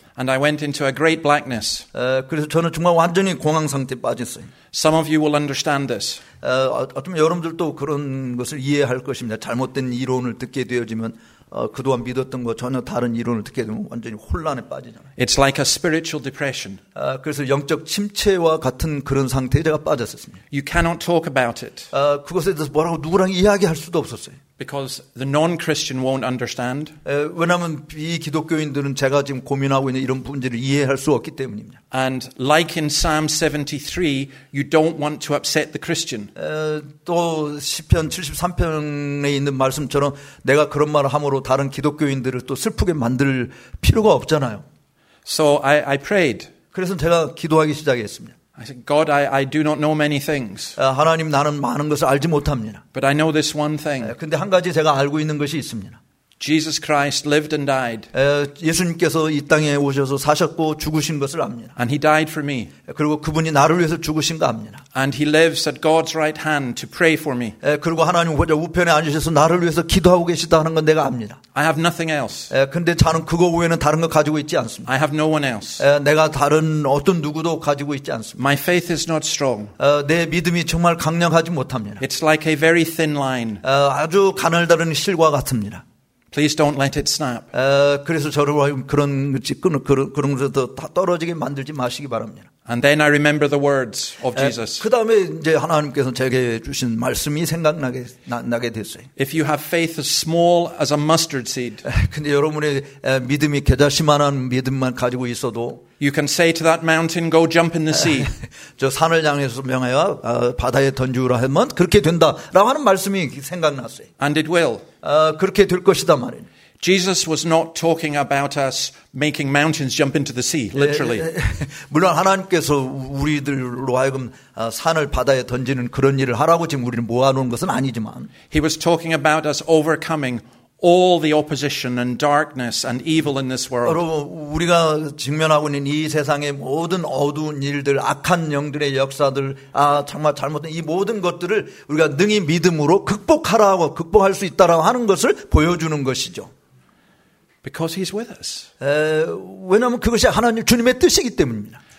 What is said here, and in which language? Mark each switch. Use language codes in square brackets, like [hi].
[en] And I went into a great blackness. [ko] 그래서 저는 정말 완전히 공황 상태에 빠졌어요. [en] Some of you will understand this. [ko] 어쩌면 여러분들도 그런 것을 이해할 것입니다. 잘못된 이론을 듣게 되어지면. 그동안 믿었던 거 전혀 다른 이론을 듣게 되면 완전히 혼란에 빠지잖아요. [en] It's like a spiritual depression. [ko] 그래서 영적 침체와 같은 그런 상태에 제가 빠졌었습니다. [en] You cannot talk about it. [ko] 그것에 대해서 뭐라고 누구랑 이야기할 수도 없었어요. [en] Because the non-Christian won't understand. [ko] 왜냐하면 비기독교인들은 제가 지금 고민하고 있는 이런 문제를 이해할 수 없기 때문입니다. [en] And like in Psalm 73, you don't want to upset the Christian. [ko] 또 시편 73편에 있는 말씀처럼 내가 그런 말을 함으로 다른 기독교인들을 또 슬프게 만들 필요가 없잖아요. [en] So I prayed. [ko] 그래서 제가 기도하기 시작했습니다. [en] I said, God, I do not know many things. [ko] 하나님, 나는 많은 것을 알지 못합니다. [en] But I know this one thing. [ko] 근데 한 가지 제가 알고 있는 것이 있습니다. [en] Jesus Christ lived and died. [ko] 예수님께서 이 땅에 오셔서 사셨고 죽으신 것을 압니다. [en] And he died for me. [ko] 그리고 그분이 나를 위해서 죽으신 거 압니다. [en] And he lives at God's right hand to pray for me. [ko] 그리고 하나님 우편에 앉으셔서 나를 위해서 기도하고 계시다는 건 내가 압니다. [en] I have nothing else. [ko] 근데 저는 그거 외에는 다른 거 가지고 있지 않습니다. [en] I have no one else. [ko] 내가 다른 어떤 누구도 가지고 있지 않습니다. [en] My faith is not strong. [ko] 내 믿음이 정말 강력하지 못합니다. [en] It's like a very thin line. [ko] 아주 가늘다른 실과 같습니다. [en] Please don't let it snap. [ko] 그래서 저를 그런 것이 끊어 그런 것에서 다 떨어지게 만들지 마시기 바랍니다. [en] And then I remember the words of Jesus. [ko] 그 다음에 이제 하나님께서 제게 주신 말씀이 생각나게 나게 됐어요. [en] If you have faith as small as a mustard seed. [ko] 근데 여러분의 믿음이 겨자씨만한 믿음만 가지고 있어도. [en] You can say to that mountain, "Go jump in the sea." [ko] 저 산을 향해서 명하여 바다에 던지우라 하면 그렇게 된다라고 하는 말씀이 생각났어요. [en] And it will. [ko] 그렇게 될 것이다 말이에요. [en] Jesus was not talking about us making mountains jump into the sea, literally. [ko] 물론 하나님께서 우리들로 하여금 산을 바다에 던지는 그런 일을 하라고 지금 우리는 모아놓은 것은 아니지만. [en] He was talking about us overcoming all the opposition and darkness and evil in this world. [ko] 여러분, 우리가 직면하고 있는 이 세상의 모든 어두운 일들, 악한 영들의 역사들, 정말 잘못된 이 모든 것들을 우리가 능히 믿음으로 극복하라고 극복할 수 있다라고 하는 것을 보여주는 것이죠. [en] Because he's with us. [ko] 왜냐하면 그것이 하나님 주님의 뜻이기 때문입니다.